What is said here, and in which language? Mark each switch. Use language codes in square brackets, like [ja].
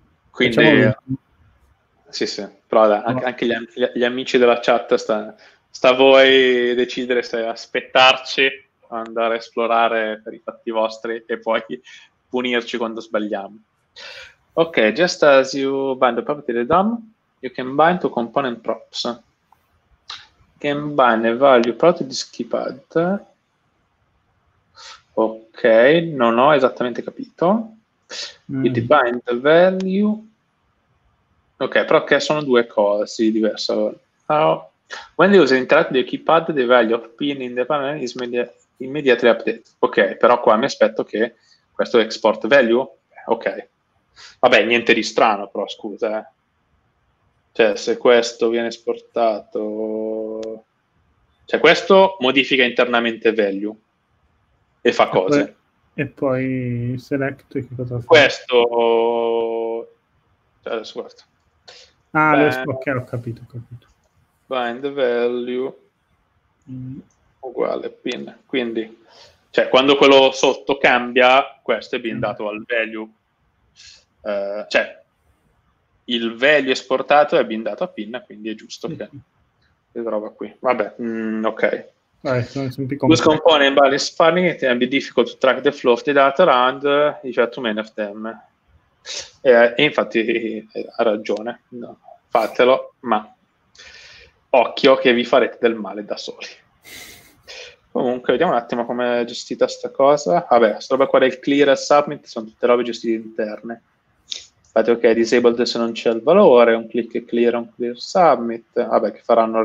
[it] Quindi... Sì, sì, però dai, anche, anche gli amici della chat, sta a voi decidere se aspettarci, andare a esplorare per i fatti vostri e poi punirci quando sbagliamo. [en] Ok, just as you bind a property to DOM, you can bind to component props. Can bind a value property to skipad. [it] Ok, non ho esattamente capito. [en] You bind the value. [it] Ok, però che sono due cose diverse. [en] Allora, when the user interacts with the keypad, the value of pin in the panel is immediately updated. [it] Ok, però qua mi aspetto che questo export value. Ok. Vabbè, niente di strano, però, scusa. Cioè, se questo viene esportato... Cioè, questo modifica internamente value e fa cose. E poi select che cosa fa? Questo... Cioè, adesso guarda. Ah, adesso, ok, ho capito, Bind value uguale pin. Quindi, cioè, quando quello sotto cambia, questo è bindato al value. Cioè, il value esportato è bindato a pin, quindi è giusto che si trova qui. Vabbè, ok. Questo [en] component by spanning it can be difficult to track the flow of the data around if you have too many of them. [it] E infatti ha ragione, no. Fatelo, ma occhio che vi farete del male da soli. Comunque, vediamo un attimo come è gestita sta cosa. Vabbè, sta roba qua del clear e submit sono tutte robe gestite interne. Fate ok, disabled se non c'è il valore, un click clear, un clear submit. Vabbè, che faranno?